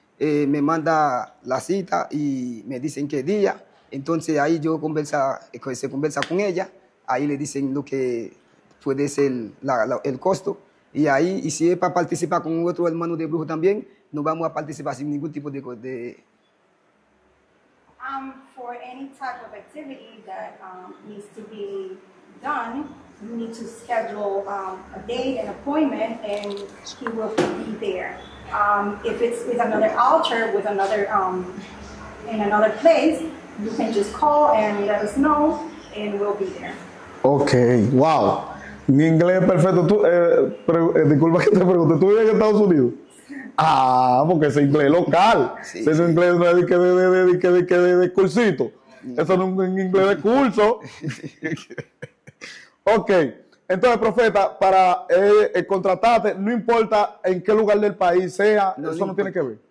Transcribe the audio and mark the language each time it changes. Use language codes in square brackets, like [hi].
[es] Me manda la cita y me dicen qué día. Entonces ahí yo se conversa con ella. Ahí le dicen lo que puede ser el costo. Y ahí, y si es para participar con otro hermano de brujo también, no vamos a participar sin ningún tipo de [en] For any type of activity that needs to be done, you need to schedule a date, an appointment, and he will be there. If it's with another altar, with another in another place, you can just call and let us know, and we'll be there. [es] Okay. Wow. Mi inglés es perfecto. Tú, disculpa que te pregunte, ¿tú vives en Estados Unidos? Ah, porque ese inglés es local. Sí, ese sí. inglés no es de cursito. Eso no es un inglés de curso. Ok, entonces, profeta, para contratarte, no importa en qué lugar del país sea, no, eso no tiene que ver.